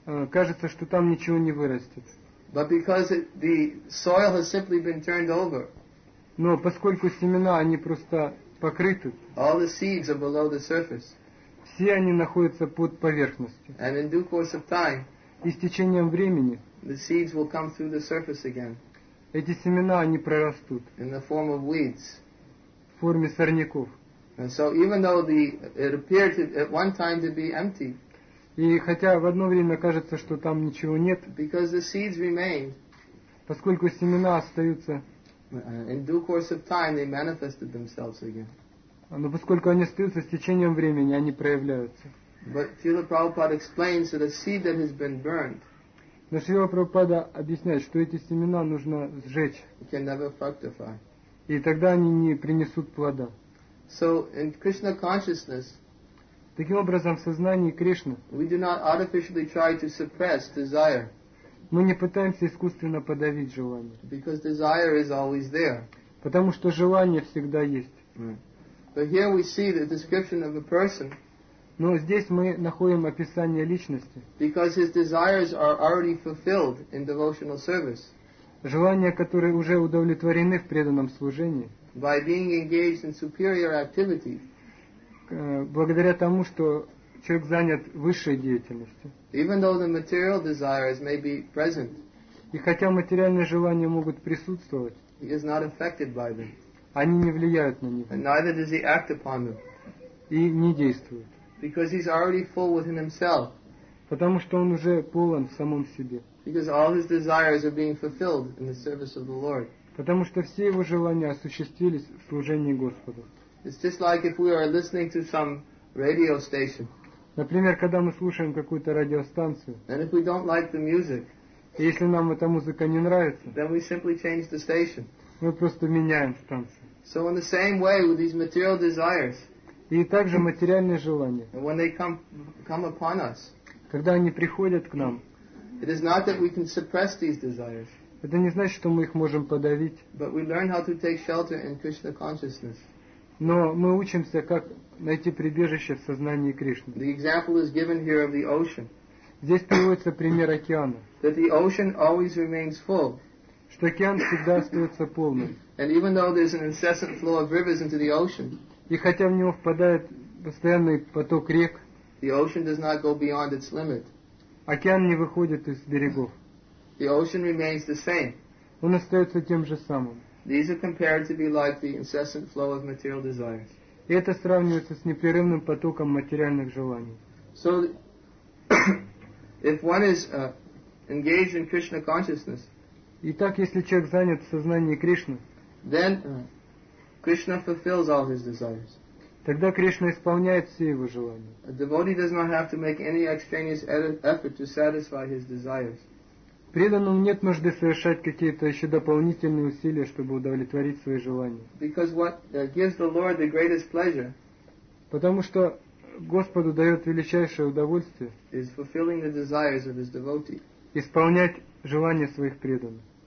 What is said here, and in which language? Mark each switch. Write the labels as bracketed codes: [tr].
[ru] Кажется, что там ничего не вырастет. [en] But because the soil has simply been turned over. [ru] Но поскольку семена они просто покрыты. [en] All the seeds are below the surface. [ru] Все они находятся под поверхностью. [en] And in due course of time, [ru] и с течением времени [en] the seeds will come through the surface again, [ru] эти семена они прорастут [en] in the form of weeds. [ru] В форме сорняков. [en] And so even though it appeared to, at one time to be empty, [ru] и хотя в одно время кажется, что там ничего нет, [en] because the seeds remained, [ru] поскольку семена остаются, [en] in due course of time they manifested themselves again. [ru] Но поскольку они остаются, с течением времени они проявляются. [en] But Srila Prabhupada explains that a seed that has been burned. [ru] Но Srila Prabhupada объясняет, что эти семена нужно сжечь. [en] Can never fructify. [ru] И тогда они не принесут плода. [en] So in Krishna consciousness. [ru] Таким образом, в сознании Кришны. [en] We do not artificially try to suppress desire. [ru] Мы не пытаемся искусственно подавить желание. [en] Because desire is always there. [ru] Потому что желание всегда есть. [en] But here we see the description of a person. [ru] Но здесь мы находим описание личности. [en] Because his desires are already fulfilled in devotional service. [ru] Желания, которые уже удовлетворены в преданном служении. [en] By being engaged in superior activity, [ru] благодаря тому, что человек занят высшей деятельностью, [en] even though the material desires may be present, [ru] и хотя материальные желания могут присутствовать, [en] he is not affected by them, [ru] они не влияют на него, [en] and neither does he act upon them, [ru] и не действует, [en] because he's already full within himself, [ru] потому что он уже полон в самом себе, [en] because all his desires are being fulfilled in the service of the Lord. [ru] Потому что все его желания осуществились в служении Господу. [en] It's just like if we are listening to some radio station. [ru] Например, когда мы слушаем какую-то радиостанцию. [en] And if we don't like the music. [ru] Если нам эта музыка не нравится. [en] Then we simply change the station. [ru] Мы просто меняем станцию. [en] So in the same way with these material desires. [ru] И также материальные желания. [en] And when they come upon us. [ru] Когда они приходят к нам. [en] It is not that we can suppress these desires. [ru] Это не значит, что мы их можем подавить. [en] But we learn how to take shelter in Krishna consciousness. [ru] Но мы учимся, как найти прибежище в сознании Кришны. [en] The example is given here of the ocean. [ru] Здесь приводится пример океана. [en] That the ocean always remains full. [ru] Что океан всегда остается полным. [en] And even though there's an incessant flow of rivers into the ocean. [ru] И хотя в него впадает постоянный поток рек. [en] The ocean does not go beyond its limit. [ru] Океан не выходит из берегов. [en] The ocean remains the same. [ru] Он остается тем же самым. [en] These are compared to be like the incessant flow of material desires. [ru] И это сравнивается с непрерывным потоком материальных желаний. [en] So, if one is engaged in Krishna consciousness, [ru] итак, если человек занят в сознании Кришны, [en] then Krishna fulfills all his desires. [ru] Тогда Кришна исполняет все его желания. [en] A devotee does not have to make any extraneous effort to satisfy his desires. [ru] Преданному нет нужды совершать какие-то еще дополнительные усилия, чтобы удовлетворить свои желания. [en] Because what gives the Lord the greatest pleasure, [ru] потому что Господу дает величайшее удовольствие, [en] is fulfilling the desires of his devotee, [ru] исполнять желания своих преданных.